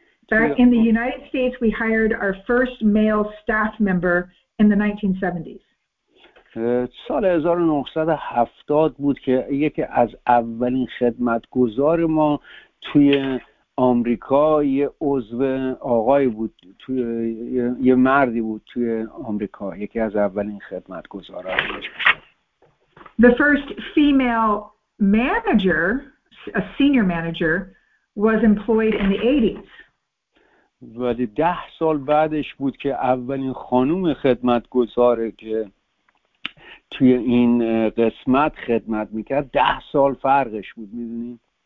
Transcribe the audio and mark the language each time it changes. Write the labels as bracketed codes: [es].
[en] Back in the United States, we hired our first male staff member in the 1970s. [fa] سال 1970 بود که یکی از اولین خدمتگزار ما توی آمریکا یه عضو آقای بود، توی یه مردی بود توی آمریکا، یکی از اولین خدمتگزارا بود. [en] The first female manager, a senior manager, was employed in the 80s. [fa] ولی 10 سال بعدش بود که اولین خانم خدمتگزار که توی این قسمت خدمت میکرد، 10 سال فرقش بود، میدونید.